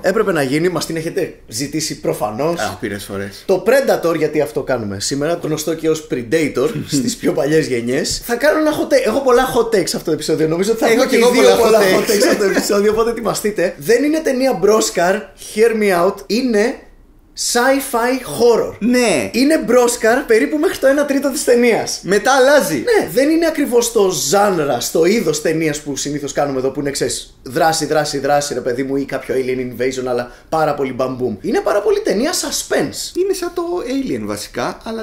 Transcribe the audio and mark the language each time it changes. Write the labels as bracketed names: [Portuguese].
[Greek] Έπρεπε να γίνει, μας την έχετε ζητήσει προφανώς. Άπειρες φορές. Το Predator, γιατί αυτό κάνουμε σήμερα. Το γνωστό και ως Predator στις πιο παλιές γενιές. Θα κάνω ένα hot take. Έχω πολλά hot takes αυτό το επεισόδιο. Νομίζω ότι θα έχω και δύο πολλά hot takes αυτό το επεισόδιο. Οπότε ετοιμαστείτε. Δεν είναι ταινία μπρόσκαρ. [English] Hear me out. [Greek] Είναι sci-fi horror. Ναι. Είναι μπρόσκαρ περίπου μέχρι το 1 τρίτο της ταινίας. Μετά αλλάζει. Ναι. Δεν είναι ακριβώς το ζάνρα, στο είδος ταινίας που συνήθως κάνουμε εδώ, που είναι, ξέρεις, δράση, ρε παιδί μου, ή κάποιο alien invasion, αλλά πάρα πολύ μπαμπούμ. Είναι πάρα πολύ ταινία suspense. Είναι σαν το alien βασικά, αλλά